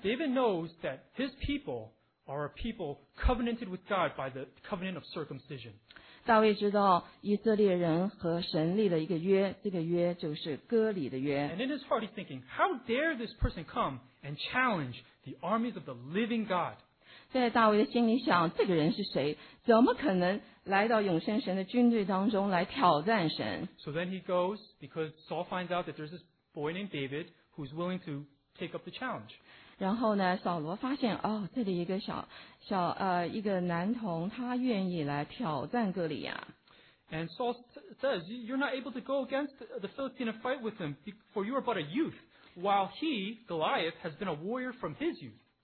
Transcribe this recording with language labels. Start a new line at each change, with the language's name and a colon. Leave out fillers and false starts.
English: David knows that his people are a people covenanted with God by the covenant of circumcision.
Chinese: 大卫知道以色列人和神立了一个约，这个约就是割礼的约。
English: And in his heart, he's thinking, how dare this person come and challenge the armies of the living God?
Chinese: 在大卫的心里想，这个人是谁？怎么可能来到永生神的军队当中来挑战神
English: ？So then he goes because Saul finds out that there's this boy named David who's willing to take up the challenge.
Chinese: 然后呢，扫罗发现哦，这里一个一个男童，他愿意来挑战哥利亚。
English: And Saul says, "You're not able to go against the Philistine and fight with him, for you are but a youth, while he, Goliath, has been a warrior from his youth."